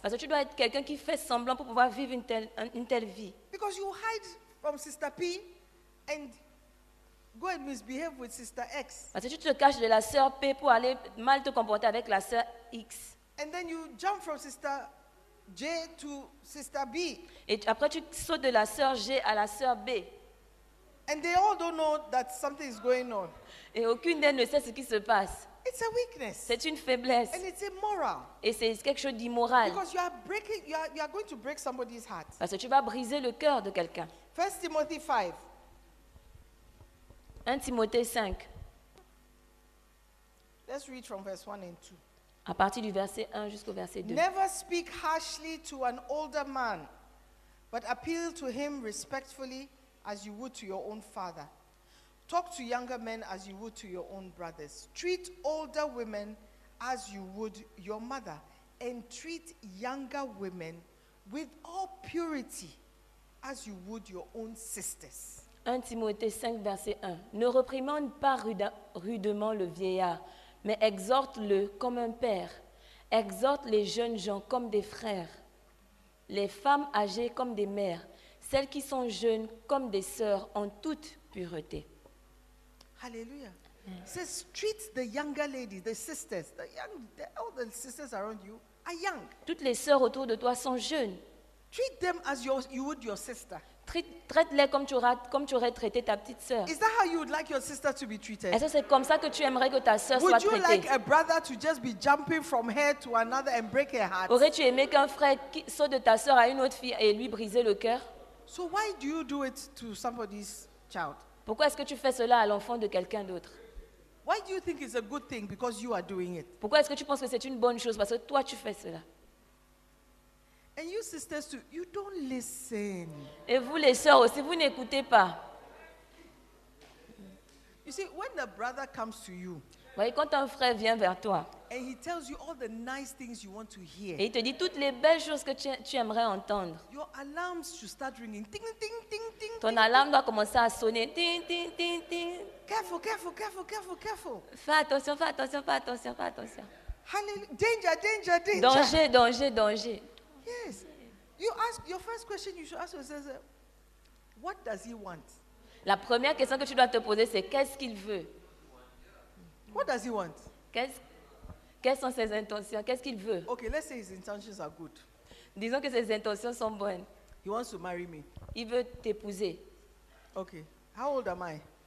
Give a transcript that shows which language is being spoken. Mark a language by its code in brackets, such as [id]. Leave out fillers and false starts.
[fr] Parce que tu dois être quelqu'un qui fait semblant pour pouvoir vivre une telle vie. [en] Because you hide from Sister P and go and misbehave with Sister X. [fr] Parce que tu te caches de la sœur P pour aller mal te comporter avec la sœur X. [en] And then you jump from Sister J to Sister B. [fr] Et après tu sautes de la sœur G à la sœur B. [en] And they all don't know that something is going on. [fr] Et aucune d'elles ne sait ce qui se passe. [en] It's a weakness. [fr] C'est une faiblesse. [en] And it's immoral. [fr] Et c'est quelque chose d'immoral. [en] Because you are going to break somebody's heart. [fr] Parce que tu vas briser le cœur de quelqu'un. 1 Timothée 5. 1 Timothée 5. [en] Let's read from verse 1 and 2. [fr] À partir du verset 1 jusqu'au verset 2. [en] Never speak harshly to an older man, but appeal to him respectfully as you would to your own father. Talk to younger men as you would to your own brothers. Treat older women as you would your mother, and treat younger women with all purity as you would your own sisters. [fr] 1 Timothée 5, verset 1. Ne réprimande pas rudement le vieillard, mais exhorte-le comme un père. Exhorte les jeunes gens comme des frères. Les femmes âgées comme des mères. Celles qui sont jeunes comme des sœurs en toute pureté. [en] Hallelujah. Mm. It says, treat the younger ladies, the sisters. The young, all the sisters around you are young. [fr] Toutes les sœurs autour de toi sont jeunes. [en] Treat them as you would your sister. [fr] traite-les comme tu aurais traité ta petite sœur. [en] Is that how you would like your sister to be treated? [fr] Est-ce que c'est comme ça que tu aimerais que ta sœur soit traitée? [en] Would you like a brother to just be jumping from her to another and break her heart? [fr] Aurais-tu aimé qu'un frère saute de ta sœur à une autre fille et lui briser le cœur? [en] So why do you do it to somebody's child? [fr] Pourquoi est-ce que tu fais cela à l'enfant de quelqu'un d'autre? [en] Why do you think it's a good thing because you are doing it? [fr] Pourquoi est-ce que tu penses que c'est une bonne chose parce que toi tu fais cela? [en] And you sisters too, you don't listen. [fr] Et vous les sœurs aussi, vous n'écoutez pas. [en] You see, when the brother comes to you, [fr] voyez, quand un frère vient vers toi, [en] and he tells you all the nice things you want to hear, [fr] et il te dit toutes les belles choses que tu aimerais entendre, [en] your alarms should start ringing, ding, ding, ding, ding. [fr] Ton alarme doit commencer à sonner, ding, ding, ding, ding. [en] Careful, careful, careful, careful, careful. [fr] Fais attention, fais attention, fais attention, fais attention. [en] Hallelujah. Danger, danger, danger. [fr] Danger, danger, danger. [en] Yes. You ask your first question. You should ask yourself, what does he want? [fr] La première question que tu dois te poser, c'est qu'est-ce qu'il veut? [en] What does he want? [fr] Quelles sont ses intentions? Qu'est-ce qu'il veut? [en] Okay, let's say his intentions are good. [fr] Disons que ses intentions sont bonnes. [en] He wants to marry me. [fr] Il veut t'épouser. [en] Okay. How old am I?